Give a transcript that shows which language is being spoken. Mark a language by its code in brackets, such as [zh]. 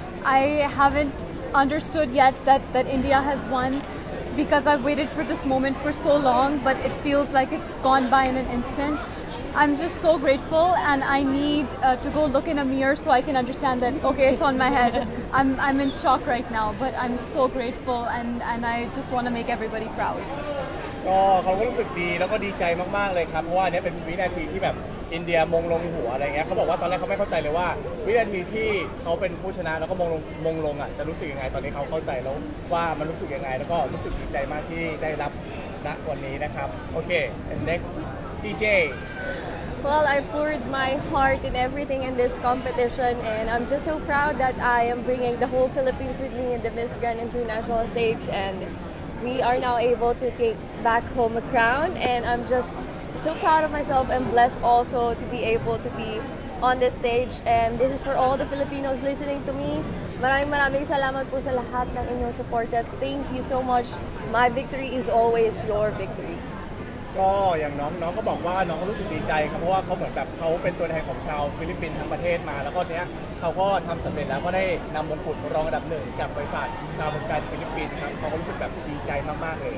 [en] I haven't understood yet that India has won because I've waited for this moment for so long, but it feels like it's gone by in an instant. I'm just so grateful, and I need to go look in a mirror so I can understand that, okay, it's on my head. I'm in shock right now, but I'm so grateful, and I just want to make everybody proud. [th] ก็เขาก็รู้สึกดีแล้วก็ดีใจมากๆเลยครับเพราะว่าเนี้ยเป็นวินาทีที่แบบอินเดียมงลงหัวอะไรเงี้ยเขาบอกว่าตอนแรกเขาไม่เข้าใจเลยว่าวินาทีที่เขาเป็นผู้ชนะแล้วก็มงลงอ่ะจะรู้สึกยังไงตอนนี้เขาเข้าใจแล้วว่ามันรู้สึกยังไงแล้วก็รู้สึกดีใจมากที่ได้รับณวันนี้นะครับโอเค [en] and next CJ Well, I poured my heart in everything in this competition, and I'm just so proud that I am bringing the whole Philippines with me in the Miss Grand International stage, and we are now able to take back home a crown, and I'm just so proud of myself and blessed also to be able to be on this stage, and this is for all the Filipinos listening to me. [tl] Maraming salamat po sa lahat ng inyong support. [en] Thank you so much. My victory is always your victory. [th] ก็อย่างน้องก็บอกว่าน้องก็รู้สึกดีใจครับเพราะว่าเขาเหมือนแบบเขาเป็นตัวแทนของชาวฟิลิปปินส์ทั้งประเทศมาแล้วก็เนี้ยเขาก็ทำสำเร็จแล้วก็ได้นำมงกุฎรองอันดับหนึ่งกลับไปฝากชาวบริการฟิลิปปินส์ครับเขาก็รู้สึกแบบดีใจมากๆเลย